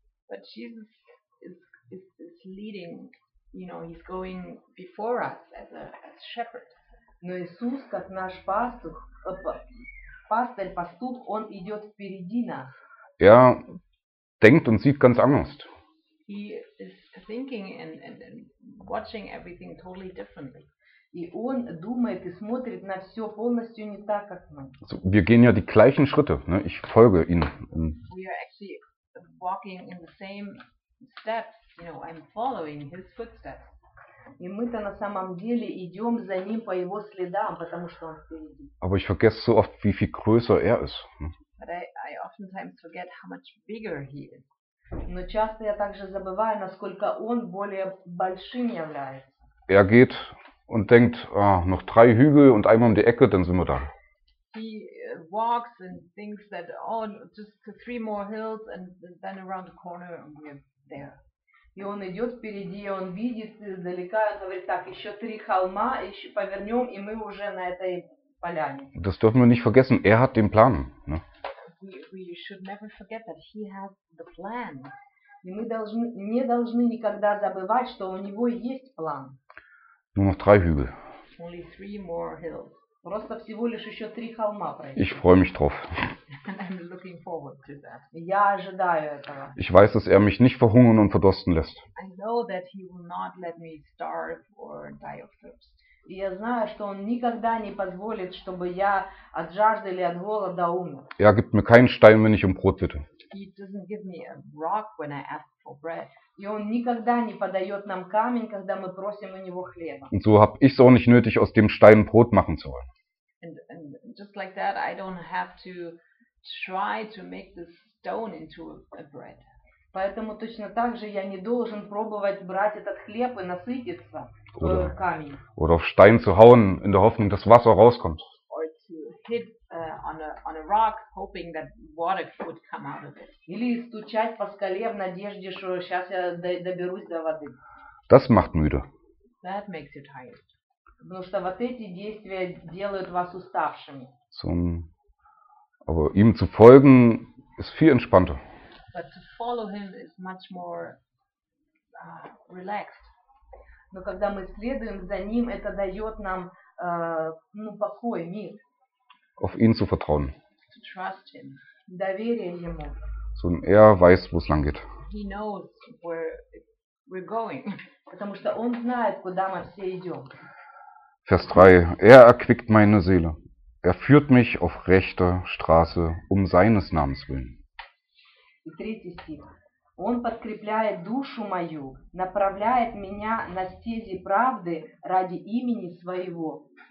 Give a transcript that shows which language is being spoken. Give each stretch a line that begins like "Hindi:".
English: But Jesus is leading, you know, he's going before us as shepherd.
Russian: Но Иисус, как наш пастух, он идет впереди нас.
German: Er denkt und sieht ganz anders.
English: He is thinking and watching everything totally differently.
Russian: И он думает и смотрит на все полностью не так, как мы.
German: So, wir gehen ja die gleichen Schritte, ne? Ich folge ihm.
English: We are actually walking in the same steps, you know, I'm following his footsteps.
Russian: И мы-то на самом деле идем за ним по его следам, потому что он впереди.
German: Aber ich vergesse so oft, wie viel größer er ist.
English: But I oftentimes forget how much bigger he is.
Russian: Но часто я также забываю, насколько он более большим является.
German: Er geht und denkt, ah, noch drei Hügel und einmal um die Ecke, dann sind wir da.
English: He walks and thinks that, oh, just three more hills and then around the corner and we're there.
Russian: И он идет впереди, он видит издалека, говорит, так, еще три холма, еще повернем, и мы уже на этой поляне.
German: Das dürfen wir nicht vergessen, er hat den Plan. Ne?
English: we should never forget that he has the plan.
Russian: И мы должны не должны никогда забывать, что у него есть план.
English: Only three more hills.
Russian: Просто всего лишь еще три холма пройти.
German: Ich freue mich drauf.
English: I'm looking forward to that.
Russian: Я ожидаю этого.
German: Ich weiß, dass mich nicht verhungern und verdursten lässt.
English: I know that he will not let me starve or die of thirst.
Russian: И я знаю, что он никогда не позволит, чтобы я от жажды или от голода умер.
German: Er gibt mir keinen Stein, wenn ich Brot bitte.
English: He doesn't give me a rock when I ask for bread.
Russian: И он никогда не подает нам камень, когда мы просим у него хлеба.
German: Und so habe ich so nicht nötig, aus dem Stein Brot machen zu wollen.
English: And just like that, I don't have to try to make this stone into a bread.
Russian: Поэтому точно так же я не должен пробовать брать этот хлеб и насытиться камнем.
German: Oder auf Stein zu hauen, in der Hoffnung, dass Wasser rauskommt.
English: Or to hit on a rock, hoping that water would come out of it.
Russian: Или стучать по скале в надежде, что сейчас я доберусь до воды.
German: Das macht müde.
English: That makes you tired.
Russian: Потому что вот эти действия делают вас уставшими.
German: Aber ihm zu folgen, ist viel entspannter.
English: But to follow him is much more relaxed.
Russian: Но когда мы следуем за ним, это дает нам покой, мир.
German: Auf ihn zu vertrauen.
English: To trust him.
Russian: Доверие ему.
German: Er weiß, wo es lang geht.
English: He knows where we're going.
Russian: Потому что он знает, куда мы все идем.
German: Vers 3. Er erquickt meine Seele. Er führt mich auf rechter Straße um seines Namens willen.
Russian: И третий стих. Он подкрепляет душу мою, направляет меня на стези правды ради имени своего.